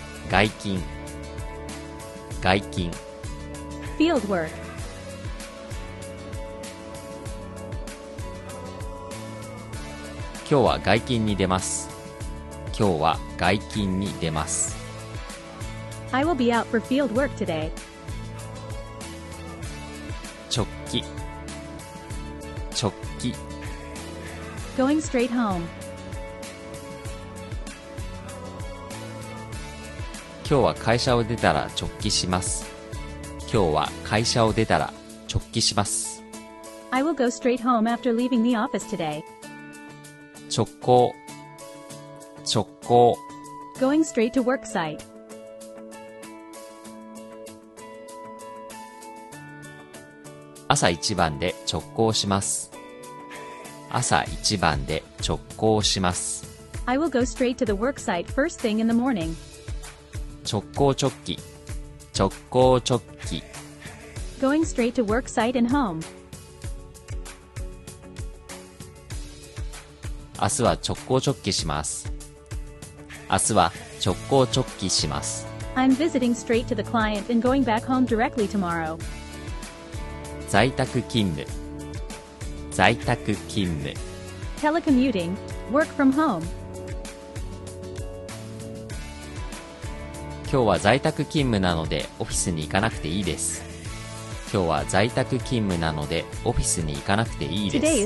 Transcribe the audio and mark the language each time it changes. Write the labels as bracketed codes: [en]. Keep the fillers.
[ja] 外勤外勤今日は外勤に出ます今日は外勤に出ます [en] I will be out for field work today. [ja] 直帰直帰 [en] Going straight home. [ja] 今日は会社を出たら直帰します今日は会社を出たら直帰します [en] I will go straight home after leaving the office today. [ja] 直行直行 [en] Going straight to work site. [ja] 朝一番で直行します朝一番で直行します [en] I will go straight to the work site first thing in the morning [ja] 直行直帰直行直帰 [en] Going straight to work site and home [ja] 明日は直行直帰します明日は直行直帰します [en] I'm visiting straight to the client and going back home directly tomorrow [ja] 在宅勤務在宅勤務 [en] Telecommuting, work from home [ja] 今日は在宅勤務なのでオフィスに行かなくていいです今日は在宅勤務なのでオフィスに行かなくていいで